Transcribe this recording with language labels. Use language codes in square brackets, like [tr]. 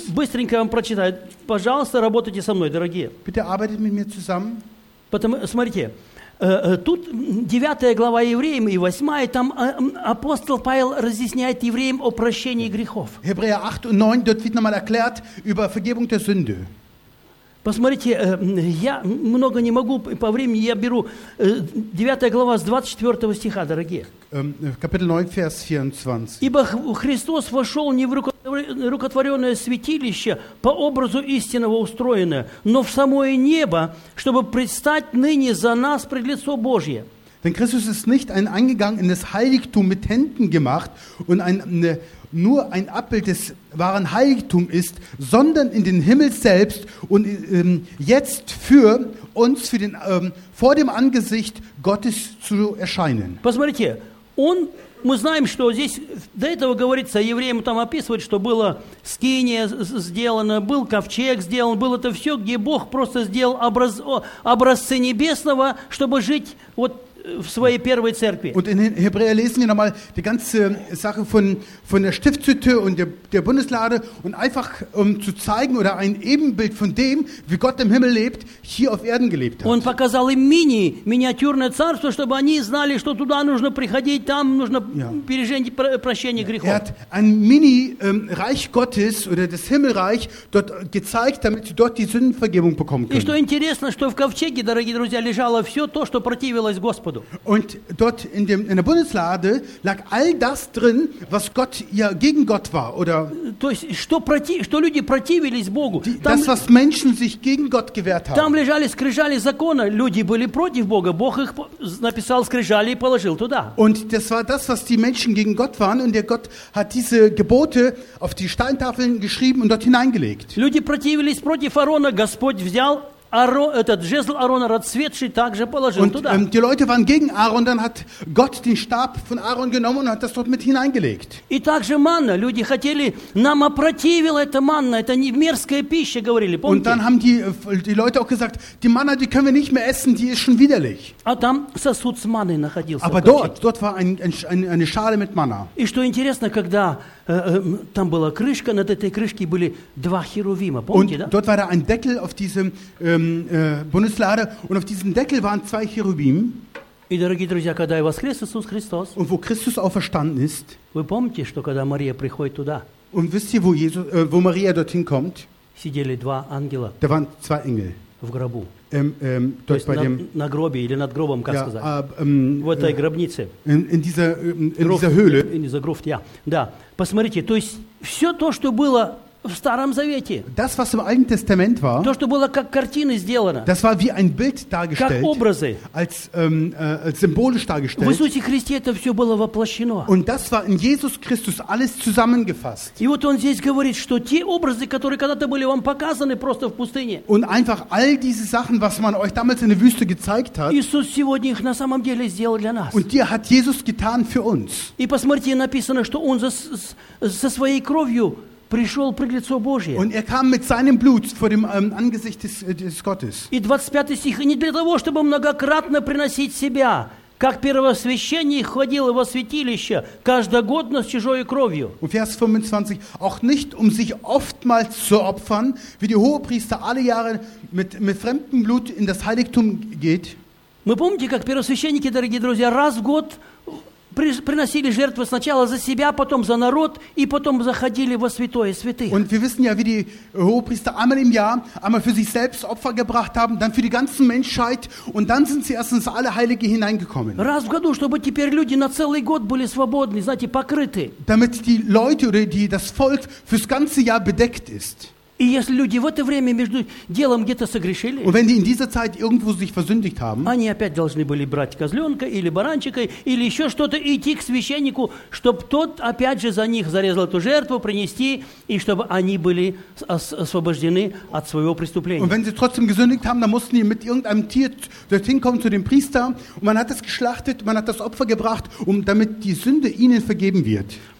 [ru] Быстренько вам прочитаю. Пожалуйста, работайте со мной, дорогие. [de] Bitte arbeitet mit mir zusammen. [ru] Потому, смотрите, тут 9 глава Евреям и 8, там апостол Павел разъясняет евреям о прощении грехов. [de] Hebräer 8 und 9, dort wird nochmal erklärt über Vergebung der Sünde. [ru] Посмотрите, я много не могу по времени, я беру 9 глава с 24 стиха, дорогие. [de] Капитель 9, vers 24. [ru] Ибо Христос вошел не в рукотворенное святилище, по образу истинного устроенное, но в самое небо, чтобы предстать ныне за нас пред лицо Божье. [de] Denn Christus ist nicht eingegangen in das Heiligtum mit Händen gemacht und nur ein Abbild des wahren Heiligtums ist, sondern in den Himmel selbst und jetzt für uns für den, vor dem Angesicht Gottes zu erscheinen. [ru] Посмотрите, мы знаем, что здесь до этого говорится, евреям там описывают, что было скиния сделано, был ковчег сделан, было это все, где Бог просто сделал образцы небесного, чтобы жить вот в своей первой церкви. [de] Und in Hebräer lesen wir nochmal die ganze Sache von der Stiftshütte und der Bundeslade und einfach zu zeigen oder ein Ebenbild von dem, wie Gott im Himmel lebt, hier auf Erden gelebt hat. [ru] Он показал им миниатюрное царство, чтобы они знали, что туда нужно приходить, там нужно пережить прощение грехов. [de] Er hat ein Mini-Reich Gottes oder das Himmelreich dort gezeigt, damit sie dort die Sündenvergebung bekommen können. [ru] И что интересно, что в ковчеге, дорогие друзья, лежало все то, что противилось Господу. [de] Und dort in der Bundeslade lag all das drin, was Gott ja gegen Gott war, oder? [ru] То есть что против, что люди противились Богу. [de] Das, was Menschen sich gegen Gott gewehrt haben. [ru] Там лежали скрижали закона, люди были против Бога, Бог их написал скрижали и положил туда. [de] Und das war das, was die Menschen gegen Gott waren, und der Gott hat diese Gebote auf die Steintafeln geschrieben und dort hineingelegt. [ru] Люди противились против Аарона, Господь взял этот жезл Аарона расцветший также положил [de] und, [ru] туда. [de] Die Leute waren gegen Aaron, dann hat Gott den Stab von Aaron genommen und hat das dort mit hineingelegt. [ru] И также манна, люди хотели, нам опротивила эта манна, это не мерзкая пища, говорили, помните? [de] Und dann haben die Leute auch gesagt, die Manna, die können wir nicht mehr essen, die ist schon widerlich. [ru] А там сосуд с манной находился. [de] Aber dort war eine Schale mit Manna. [ru] И что интересно, когда там была крышка, над этой крышкой были два херувима, помните, [de] und [ru] да? [de] Und dort war da ein Deckel auf diesem Bundeslade und auf diesem Deckel waren zwei Cherubim. [ru] И, дорогие друзья, когда воскрес Иисус Христос, [de] und wo Christus auferstanden ist, [ru] вы помните, что когда Мария приходит туда, [de] und wisst ihr, wo Maria dorthin kommt, [ru] сидели два ангела, [de] da waren zwei Engel [ru] в гробу, то есть на гробе или над гробом, как сказать, в этой гробнице, [de] in dieser Gruft, ja. [ru] Да, посмотрите, то есть все то, что было в Старом Завете. [de] Das, was im Alten Testament war, [ru] то, что было как картины сделано. [de] Das war wie ein Bild dargestellt, [ru] как образы. [de] Als symbolisch dargestellt. [ru] В Иисусе Христе это все было воплощено. [de] Und das war in Jesus Christus alles zusammengefasst. [ru] И вот он здесь говорит, что те образы, которые когда-то были вам показаны просто в пустыне. [de] Und einfach all diese Sachen, was man euch damals in der Wüste gezeigt hat. [ru] Иисус сегодня их на самом деле сделал для нас. [de] Und die hat Jesus getan für uns. [ru] И посмотрите, написано, что он со своей кровью пришел пред лицо Божие. [de] Und kam mit seinem Blut vor dem Angesicht des Gottes. [ru] И 25 стих, не для того, чтобы многократно приносить себя, как первосвященник ходил во святилище каждогодно с чужой кровью. [de] Und Vers 25, auch nicht, sich oftmals zu opfern, wie die Hohepriester alle Jahre mit fremdem Blut in das Heiligtum geht. [ru] Мы помните, как первосвященники, дорогие друзья, раз в год приносили жертвы сначала за себя, потом за народ, и потом заходили во святое святых. [de] Und wir wissen ja, wie die Hohepriester einmal im Jahr einmal für sich selbst Opfer gebracht haben, dann für die ganze Menschheit, und dann sind sie erst ins Allerheilige hineingekommen. [ru] Раз в году, чтобы теперь люди на целый год были свободны, знаете, покрыты. [de] Damit die Leute oder das Volk fürs ganze Jahr bedeckt ist. [ru] И если люди в это время между делом где-то согрешили, [de] und wenn die in dieser Zeit irgendwo sich versündigt haben, [ru] они опять должны были брать козленка или баранчика или еще что-то и идти к священнику, чтобы тот опять же за них зарезал эту жертву, принести, и чтобы они были освобождены от своего преступления. [de] Und wenn sie trotzdem gesündigt haben, dann mussten sie mit irgendeinem Tier dorthin kommen zu dem Priester, und man hat es geschlachtet, man hat das Opfer gebracht, um damit die Sünde ihnen vergeben wird.